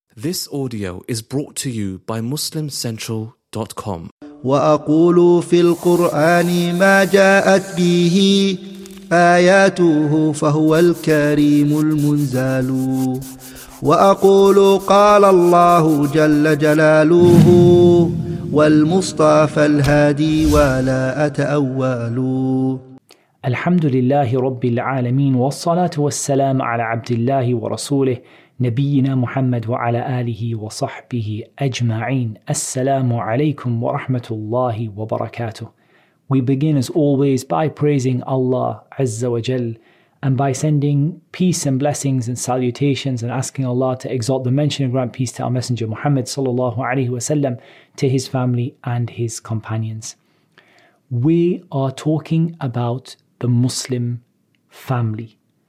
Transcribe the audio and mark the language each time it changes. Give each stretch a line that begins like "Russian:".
English: This audio is brought to you by MuslimCentral.com.
Arabic: وأقول في القرآن ما جاءت به آياته فهو الكريم المنزال. وأقول قال الله جل جلاله والمصطفى الهادي ولا أتأول. الحمد لله رب العالمين والصلاة والسلام على عبد الله ورسوله نبينا محمد وعلى آله وصحبه أجمعين. السلام عليكم ورحمة الله وبركاته.
English: We begin as always by praising Allah Azza wa Jal and by sending peace and blessings and salutations and asking Allah to exalt the mention and grant peace to our Messenger Muhammad sallallahu alaihi wasallam, to his family and his companions. We are talking about the Muslim family.